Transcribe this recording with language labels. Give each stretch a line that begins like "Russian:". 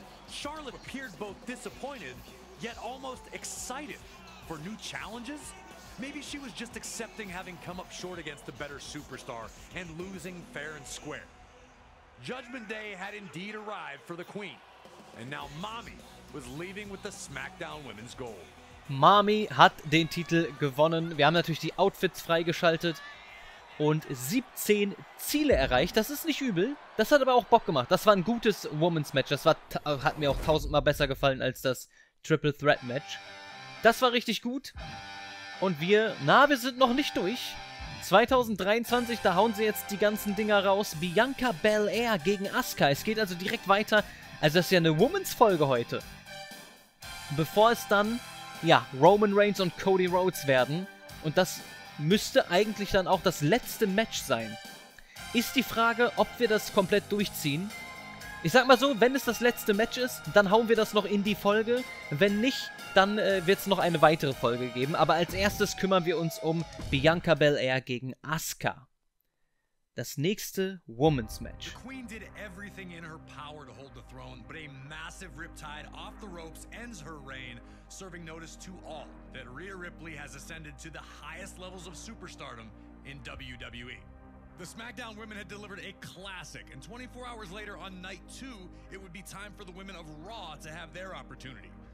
English: Charlotte appeared both disappointed, yet almost excited for new challenges. Maybe she was just accepting having come up short against the better superstar and losing fair and square. Judgment Day had indeed arrived for the Queen, and now Mommy was leaving with the SmackDown Women's Gold.
German: Mommy hat den Titel gewonnen. Wir haben natürlich die Outfits freigeschaltet und 17 Ziele erreicht. Das ist nicht übel. Das hat aber auch Bock gemacht. Das war ein gutes Women's Match. Das war hat mir auch tausendmal besser gefallen als das Triple Threat Match. Das war richtig gut. Und wir sind noch nicht durch. 2023, da hauen sie jetzt die ganzen Dinger raus. Bianca Belair gegen Asuka. Es geht also direkt weiter. Also das ist ja eine Women's-Folge heute. Bevor es dann, ja, Roman Reigns und Cody Rhodes werden. Und das müsste eigentlich dann auch das letzte Match sein. Ist die Frage, ob wir das komplett durchziehen. Ich sag mal so, wenn es das letzte Match ist, dann hauen wir das noch in die Folge. Wenn nicht, dann wird es noch eine weitere Folge geben. Aber als erstes kümmern wir uns um Bianca Belair gegen Asuka. Das nächste Women's Match.
English: The Queen did everything in her power to hold the throne, but a massive riptide off the ropes ends her reign, serving notice to all that Rhea Ripley has ascended to the highest levels of superstardom in WWE. The SmackDown women had delivered a classic, and 24 hours later on night two, it would be time for the women of Raw to have their opportunity.